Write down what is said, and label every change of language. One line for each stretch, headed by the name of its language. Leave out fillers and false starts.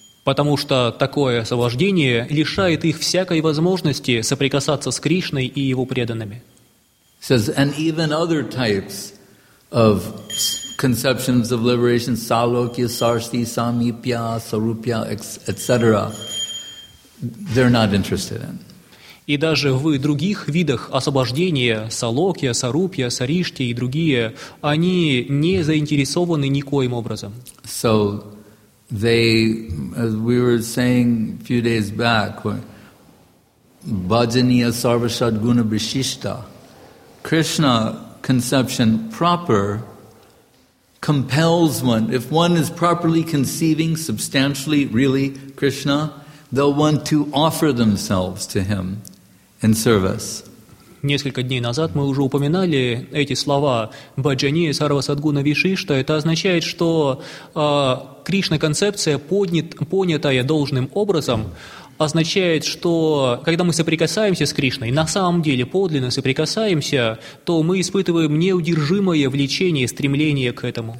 Russian: Потому что такое освобождение лишает их всякой возможности соприкасаться с Кришной и его преданными.
English: Says, and even other types of conceptions of liberation, salokya, sarsti, samipya, sarupya, etc., they're not interested in.
Russian: И даже в других видах освобождения, салокья, сарупья, сарishti и другие, они не заинтересованы никоим образом.
English: So they, as we were saying a few days back,
Sanskrit: bhajaniya sarvashad guna vishishta,
English: Krishna conception proper compels one. If one is properly conceiving substantially, really, Krishna, they'll want to offer themselves to him in service.
Russian: Несколько дней назад мы уже упоминали эти слова
Sanskrit: «баджаниэ сарвасадгуна вишишта».
Russian: Это означает, что Кришна-концепция, понятая должным образом, означает, что когда мы соприкасаемся с Кришной, на самом деле подлинно соприкасаемся, то мы испытываем неудержимое влечение, стремление к этому.